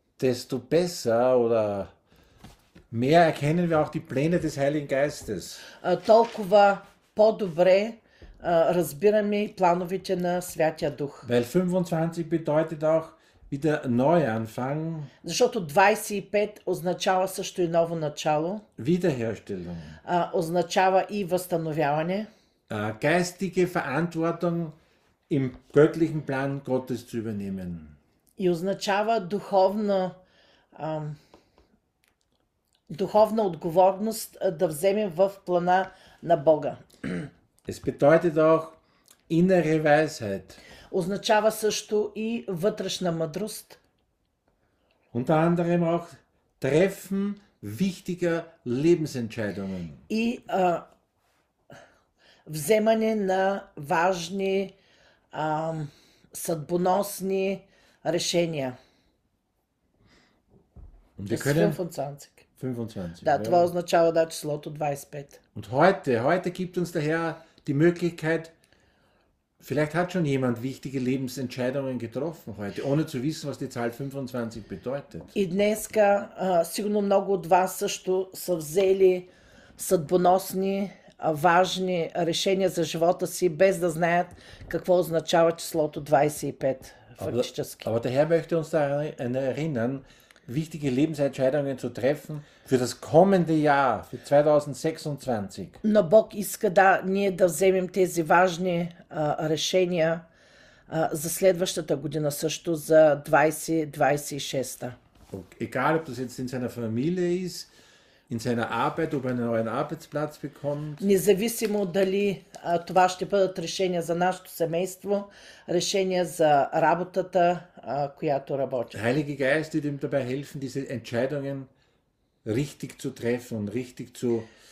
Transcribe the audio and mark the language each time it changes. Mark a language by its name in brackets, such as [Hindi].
[German] desto besser oder mehr erkennen wir auch die Pläne des Heiligen Geistes. [Bulgarian] Толкова по-добре разбираме плановете на Святия Дух. [German] Weil 25 bedeutet auch wieder Neuanfang. [Bulgarian] Защото 25 означава също и ново начало. [German] Wiederherstellung. [Bulgarian] Означава и възстановяване. [German] Geistige Verantwortung im göttlichen Plan Gottes zu übernehmen. [Bulgarian] И означава духовна отговорност да вземем в плана на Бога. [German] Es bedeutet auch innere Weisheit. [Bulgarian] Означава също и вътрешна мъдрост. [German] Unter anderem auch treffen wichtiger Lebensentscheidungen. [Bulgarian] И вземане на важни съдбоносни решения. [German] Und wir können [Bulgarian] 25. Да, ja. Това означава да числото 25. [German] Und heute gibt uns der Herr die Möglichkeit, vielleicht hat schon jemand wichtige Lebensentscheidungen getroffen heute, ohne zu wissen, was die Zahl 25 bedeutet. [Bulgarian] И днеска сигурно много от вас също са взели съдбоносни, важни решения за живота си, без да знаят какво означава числото 25 фактически. [German] Aber der Herr möchte uns daran erinnern, wichtige Lebensentscheidungen zu treffen für das kommende Jahr, für 2026. [Bulgarian] Но Бог иска да ние да вземем тези важни решения за следващата година, също за 2026. [German] Egal, ob das jetzt in seiner Familie ist, in seiner Arbeit, ob er einen neuen Arbeitsplatz bekommt. [Bulgarian] Независимо дали това ще бъдат решения за нашето семейство, решения за работата, която работи. [German] Heilige Geist wird ihm dabei helfen, diese Entscheidungen richtig zu treffen und richtig zu